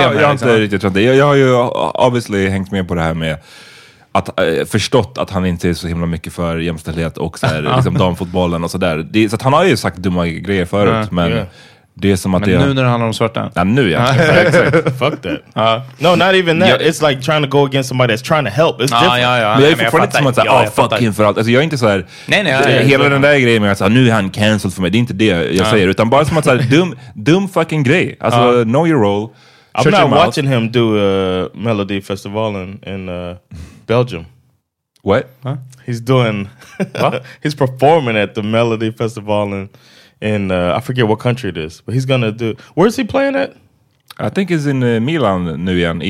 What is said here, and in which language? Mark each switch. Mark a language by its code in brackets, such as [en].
[sv] med det? Nej, jag har inte riktigt känt det. Jag har ju obviously hängt med på det här med att förstått att han inte är så himla mycket för jämställdhet och så här, liksom damfotbollen och sådär. Så att han har ju sagt dumma grejer förut, men... det är som att men nu när det handlar om svarta. Ja, nu ja. [en] Fuck that. No, not even that. It's like trying to go against somebody that's trying to help. It's different. [sv] Men jag är fortfarande inte som att säga, [en] fuck him [sv] för allt. Alltså jag är inte så här. Nej, hela den där grejen med att nu är han cancelled för mig. Det är inte det jag säger. Utan bara som att säga, dum fucking grej. [en] Alltså, know your role. I'm not watching him do Melody Festival in Belgium. What? Huh? He's doing... he's performing at the Melody Festival in I forget what country it is, but he's gonna do. Where's he playing at? I think he's in Milan, New York.